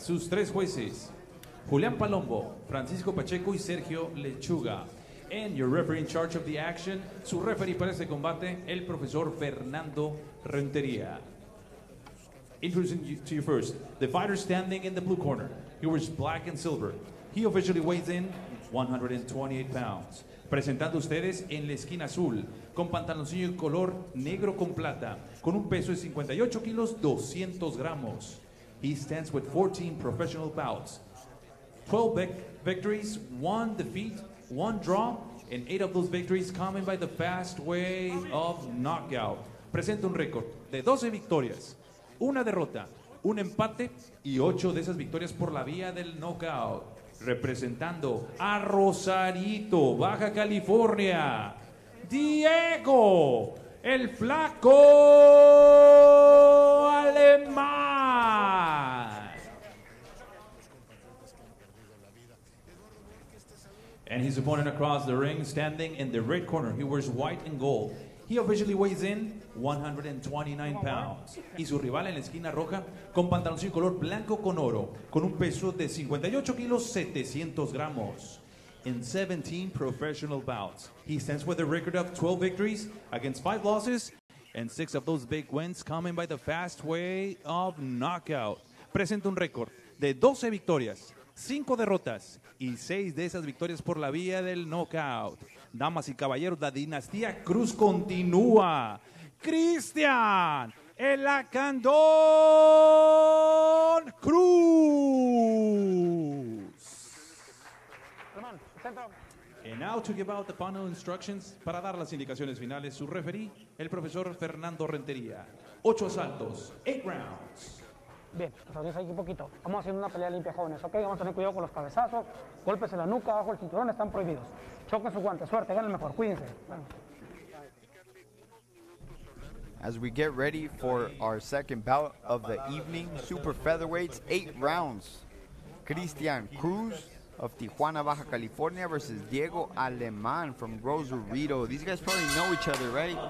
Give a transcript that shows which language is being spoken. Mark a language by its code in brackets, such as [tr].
[es] Sus 3 jueces, Julián Palombo, Francisco Pacheco y Sergio Lechuga. [en] And your referee in charge of the action, [es] su referee para este combate, el profesor [en] Fernando Rentería. Introducing you to you first, the fighter standing in the blue corner. He wears black and silver. He officially weighs in 128 pounds. [es] Presentando ustedes en la esquina azul, con pantaloncillo en color negro con plata, con un peso de 58 kilos, 200 gramos. [en] He stands with 14 professional bouts. 12 victories, 1 defeat, 1 draw, and 8 of those victories coming by the fast way of knockout. [es] Presenta un récord de 12 victorias, una derrota, un empate y 8 de esas victorias por la vía del knockout. Representando a Rosarito, Baja California, Diego, el flaco alemán. [en] And his opponent across the ring, standing in the red corner, he wears white and gold. He officially weighs in 129 pounds. [es] Y su rival en la esquina roja, con pantaloncillo color blanco con oro, con un peso de 58 kilos, 700 gramos. [en] In 17 professional bouts, he stands with a record of 12 victories against 5 losses, and 6 of those big wins coming by the fast way of knockout. [es] Presenta un récord de 12 victorias, 5 derrotas, y 6 de esas victorias por la vía del knockout. Damas y caballeros, la dinastía Cruz continúa. Cristian, el Acandón Cruz. [en] And now to give out the final instructions, [es] para dar las indicaciones finales, su referí, el profesor Fernando Rentería. 8 asaltos, 8 rounds. Bien, pues adiós aquí un poquito. Vamos haciendo una pelea limpia, jóvenes, ¿ok? Vamos a tener cuidado con los cabezazos, golpes en la nuca, bajo el cinturón, están prohibidos. Choquen su guante, suerte, ganen mejor, cuídense. [en] As we get ready for our second bout of the evening, super featherweights, 8 rounds. Cristian Cruz of Tijuana, Baja California versus Diego Alemán from Rosarito. These guys probably know each other, right?